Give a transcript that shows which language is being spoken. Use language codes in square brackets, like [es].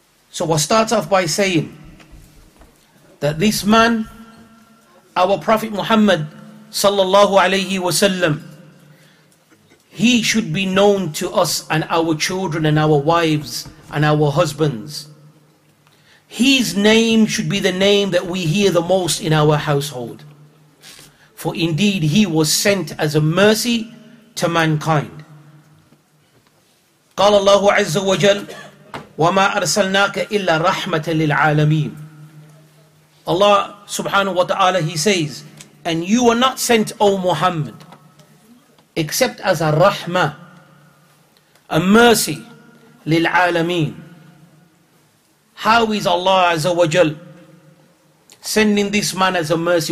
[en] So we'll start off by saying that this man, our Prophet Muhammad sallallahu alayhi wasallam, he should be known to us and our children and our wives and our husbands. His name should be the name that we hear the most in our household. For indeed he was sent as a mercy to mankind. [ar] قال الله عز وجل وما أرسلناك إلا رحمة للعالمين. [en] Allah subhanahu wa ta'ala, he says, and you are not sent, O Muhammad, except as a rahmah, a mercy, lil alameen. How is Allah azza wa jal sending this man as a mercy?